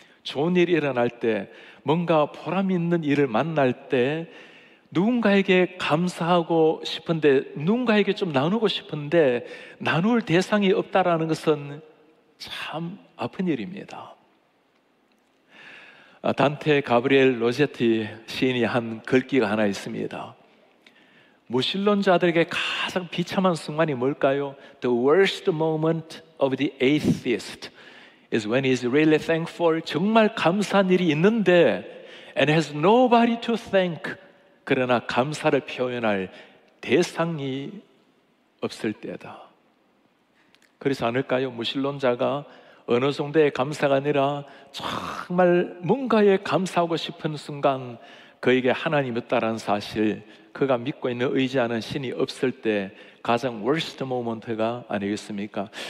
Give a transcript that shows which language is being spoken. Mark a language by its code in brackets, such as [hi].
[ko] 좋은 일이 일어날 때, 뭔가 보람 있는 일을 만날 때 누군가에게 감사하고 싶은데, 누군가에게 좀 나누고 싶은데 나눌 대상이 없다라는 것은 참 아픈 일입니다. 단테 가브리엘 로제티 시인이 한 글귀가 하나 있습니다. 무신론자들에게 가장 비참한 순간이 뭘까요? [en] The worst moment of the atheist is when he is really thankful. 정말 감사한 일이 있는데 and has nobody to thank. [ko] 그러나 감사를 표현할 대상이 없을 때다. 그렇지 않을까요? 무신론자가 어느 정도의 감사가 아니라 정말 뭔가에 감사하고 싶은 순간 그에게 하나님이었다라는 사실, 그가 믿고 있는 의지하는 신이 없을 때 가장 worst moment 가 아니겠습니까?